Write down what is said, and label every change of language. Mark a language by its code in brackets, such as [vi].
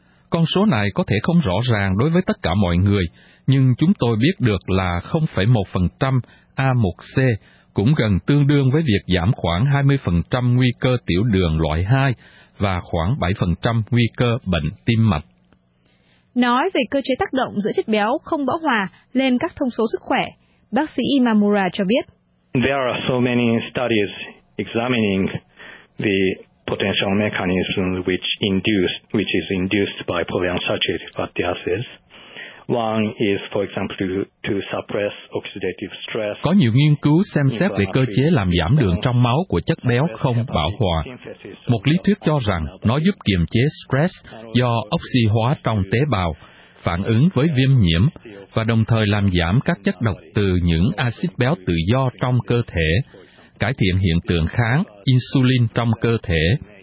[vi] Con số này có thể không rõ ràng đối với tất cả mọi người, nhưng chúng tôi biết được là 0,1% A1C cũng gần tương đương với việc giảm khoảng 20% nguy cơ tiểu đường loại 2 và khoảng 7% nguy cơ bệnh tim mạch. Nói về cơ chế tác động giữa chất béo không bão hòa lên các thông số sức khỏe, bác sĩ Imamura cho biết. [en] There are so many studies examining the potential mechanisms which is induced by polyunsaturated fatty acids. One is, for example, to suppress oxidative stress. [vi] Có nhiều nghiên cứu xem xét về cơ chế làm giảm đường trong máu của chất béo không bão hòa. Một lý thuyết cho rằng nó giúp kiềm chế stress do oxy hóa trong tế bào, phản ứng với viêm nhiễm và đồng thời làm giảm các chất độc từ những axit béo tự do trong cơ thể, cải thiện hiện tượng kháng insulin trong cơ thể.